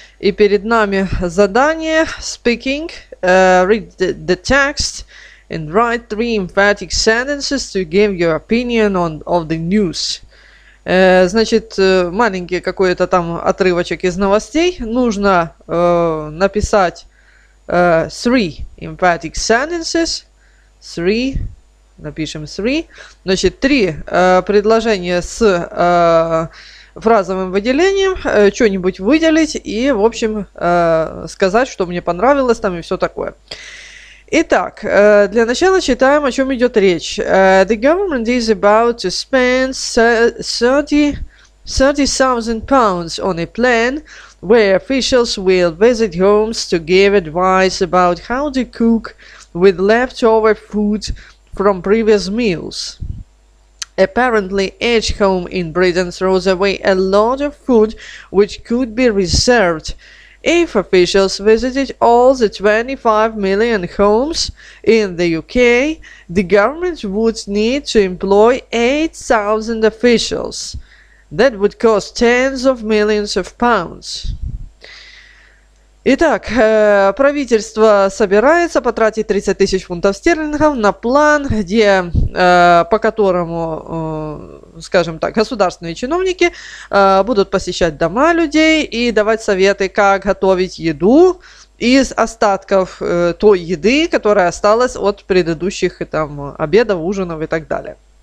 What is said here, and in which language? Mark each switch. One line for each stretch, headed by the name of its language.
Russian: И перед нами задание
English: Speaking, read the text and write three emphatic sentences to give your opinion on of the news.
Russian: Значит, маленький какой-то там отрывочек из новостей. Нужно написать
English: three emphatic sentences.
Russian: Напишем
English: three.
Russian: Значит, три предложения с фразовым выделением, что-нибудь выделить и, в общем, сказать, что мне понравилось там и все такое. Итак, для начала читаем, о чем идет речь.
English: The government is about to spend 30,000 pounds on a plan where officials will visit homes to give advice about how to cook with leftover food from previous meals. Apparently, each home in Britain throws away a lot of food which could be reserved if officials visited all the 25 million homes in the UK. The government would need to employ 8,000 officials. That would cost tens of millions of pounds.
Russian: Итак, правительство собирается потратить 30 тысяч фунтов стерлингов на план, где, по которому, скажем так, государственные чиновники будут посещать дома людей и давать советы, как готовить еду из остатков той еды, которая осталась от предыдущих там, обедов, ужинов и так далее.